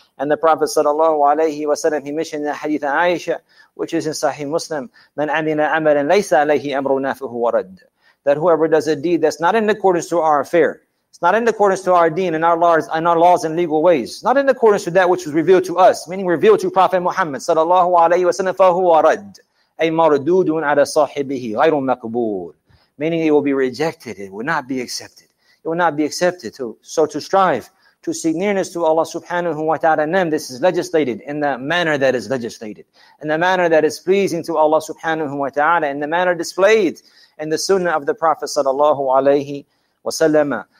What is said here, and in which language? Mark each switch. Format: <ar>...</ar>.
<en>And the Prophet sallallahu alayhi wa sallam, he mentioned the hadith of Aisha, which is in Sahih Muslim,</en> <ar>man amina amalan laysa alayhi amruna fahu warad.</ar> <en>That whoever does a deed that's not in accordance to our affair, it's not in accordance to our deen and our laws and legal ways, not in accordance to that which was revealed to us, meaning revealed to Prophet Muhammad sallallahu alayhi wa sallam,</en> <ar>fahu warad, أي مردود على صاحبه غير مقبول.</ar> <en>Meaning it will be rejected. It will not be accepted. It will not be accepted. So to strive to seek nearness to Allah subhanahu wa ta'ala, and this is legislated in the manner that is legislated, in the manner that is pleasing to Allah subhanahu wa ta'ala, in the manner displayed in the sunnah of the Prophet sallallahu alayhi wa sallam.</en>